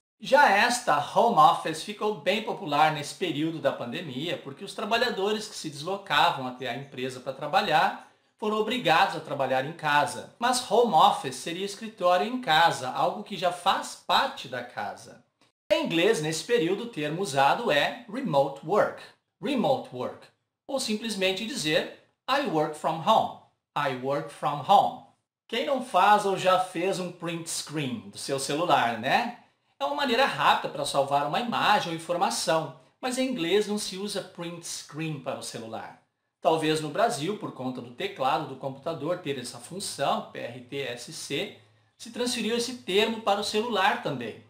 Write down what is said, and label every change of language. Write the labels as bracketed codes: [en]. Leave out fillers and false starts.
[pt] Já esta home office ficou bem popular nesse período da pandemia porque os trabalhadores que se deslocavam até a empresa para trabalhar foram obrigados a trabalhar em casa. Mas home office seria escritório em casa, algo que já faz parte da casa. Em inglês, nesse período, o termo usado é remote work. [en] Remote work. [pt] Ou simplesmente dizer [en] I work from home. I work from home. [pt] Quem não faz ou já fez um print screen do seu celular, né? É uma maneira rápida para salvar uma imagem ou informação, mas em inglês não se usa print screen para o celular. Talvez no Brasil, por conta do teclado do computador ter essa função, PRTSC, se transferiu esse termo para o celular também.